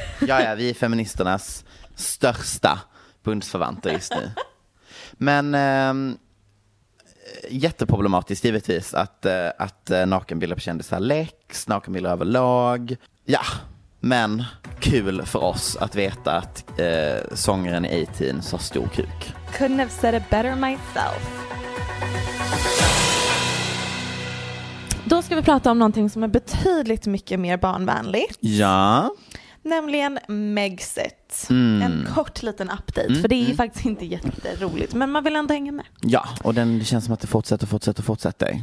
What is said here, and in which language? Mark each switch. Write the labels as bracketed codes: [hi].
[sv] Ja, vi är feministernas största bundsförvanter just nu. Men jätteproblematiskt givetvis att nakenbilder på kändisar läcks, nakenbilder överlag. Ja, men kul för oss att veta att sångaren i A-Teen sa stor kuk. [en] Couldn't have said it better myself. [sv] Då ska vi prata om någonting som är betydligt mycket mer barnvänligt. Ja. Nämligen Megxit. En kort liten update. För det är ju faktiskt inte jätteroligt. Men man vill ändå hänga med. Ja, och det känns som att det fortsätter.